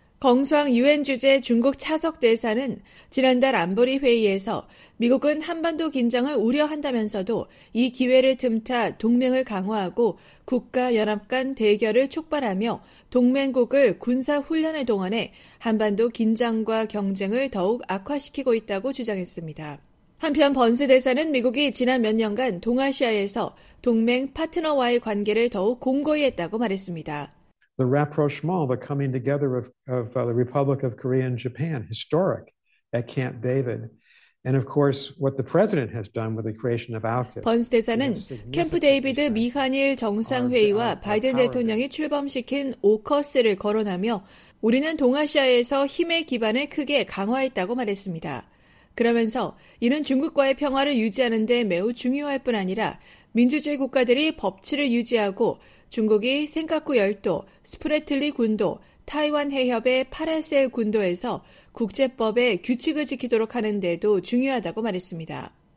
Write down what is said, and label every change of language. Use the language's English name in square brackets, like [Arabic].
[Korean] 겅수왕 유엔 주재 중국 차석 대사는 지난달 안보리 회의에서 미국은 한반도 긴장을 우려한다면서도 이 기회를 틈타 동맹을 강화하고 국가 연합 간 대결을 촉발하며 동맹국을 군사 훈련을 동원해 한반도 긴장과 경쟁을 더욱 악화시키고 있다고 주장했습니다. 한편 번스 대사는 미국이 지난 몇 년간 동아시아에서 동맹 파트너와의 관계를 더욱 공고히 했다고 말했습니다. [English] The rapprochement, the coming together of the Republic of Korea and Japan, historic at Camp David, and of course what the president has done with the creation of AUKUS. [Korean] 번스 대사는 캠프 데이비드 미한일 정상회의와 바이든 대통령이 출범시킨 오커스를 거론하며 우리는 동아시아에서 힘의 기반을 크게 강화했다고 말했습니다. 그러면서 이는 중국과의 평화를 유지하는 데 매우 중요할 뿐 아니라 민주주의 국가들이 법치를 유지하고 중국이 센카쿠 열도, 스프레틀리 군도, 타이완 해협의 파라셀 군도에서 국제법의 규칙을 지키도록 하는 데도 중요하다고 말했습니다.